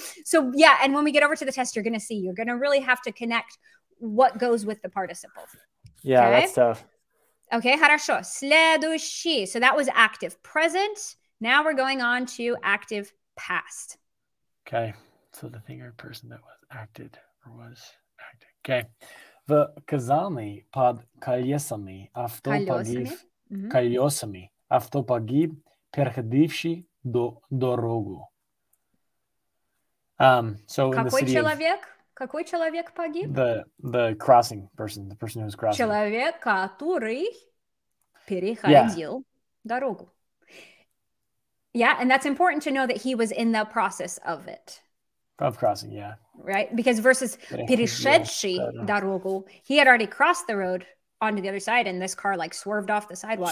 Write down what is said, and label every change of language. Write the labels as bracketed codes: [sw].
[en] So yeah, and when we get over to the test, you're gonna really have to connect what goes with the participle. Yeah, okay? That's tough. Okay, [ru] хорошо. Следующий. [en] So that was active present. Now we're going on to active past. Okay. So the thing or person that was acted or was acting. Okay. [ru] В Казани под колесами авто погиб. Колесами. Авто погиб, переходивший дорогу. [en] So [ru] какой человек? Какой человек погиб? [en] The crossing person, the person who's crossing. [ru] Человек, который переходил дорогу. [en] Yeah, and that's important to know that he was in the process of it. Of crossing, yeah. Right? Because versus [ru] перешедший дорогу, [en] he had already crossed the road onto the other side and this car like swerved off the sidewalk.